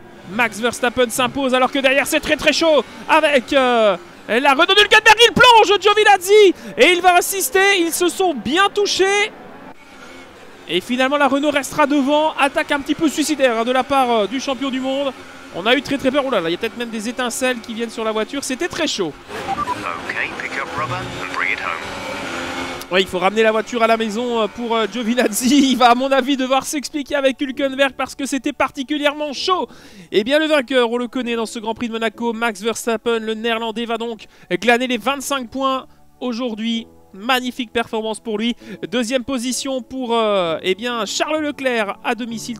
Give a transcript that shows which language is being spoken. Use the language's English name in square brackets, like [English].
[French] Max Verstappen s'impose alors que derrière c'est très très chaud avec la Renault Hülkenberg. Il plonge Giovinazzi et il va assister. Ils se sont bien touchés. Et finalement la Renault restera devant. Attaque un petit peu suicidaire de la part du champion du monde. On a eu très très peur. Oh là là, il y a peut-être même des étincelles qui viennent sur la voiture. C'était très chaud. [English] Okay, pick up rubber and bring it home. [French] Ouais, il faut ramener la voiture à la maison pour Giovinazzi. Il va, à mon avis, devoir s'expliquer avec Hülkenberg parce que c'était particulièrement chaud. Et bien, le vainqueur, on le connaît dans ce Grand Prix de Monaco, Max Verstappen, le Néerlandais, va donc glaner les 25 points aujourd'hui. Magnifique performance pour lui. Deuxième position pour Charles Leclerc à domicile.